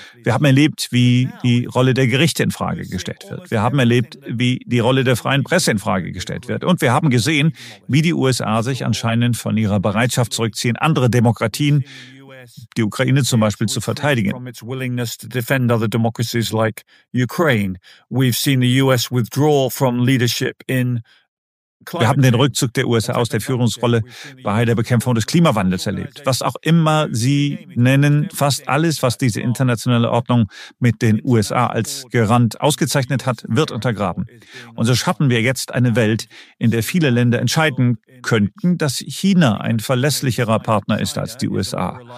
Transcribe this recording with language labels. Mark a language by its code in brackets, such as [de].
[de] Wir haben erlebt, wie die Rolle der Gerichte in Frage gestellt wird. Wir haben erlebt, wie die Rolle der freien Presse in Frage gestellt wird. Und wir haben gesehen, wie die USA sich anscheinend von ihrer Bereitschaft zurückziehen, andere Demokratien, die Ukraine zum Beispiel, zu verteidigen. [en] From its willingness to defend other democracies like Ukraine. We've seen the US withdraw from leadership in. [de] Wir haben den Rückzug der USA aus der Führungsrolle bei der Bekämpfung des Klimawandels erlebt. Was auch immer Sie nennen, fast alles, was diese internationale Ordnung mit den USA als Garant ausgezeichnet hat, wird untergraben. Und so schaffen wir jetzt eine Welt, in der viele Länder entscheiden könnten, dass China ein verlässlicherer Partner ist als die USA.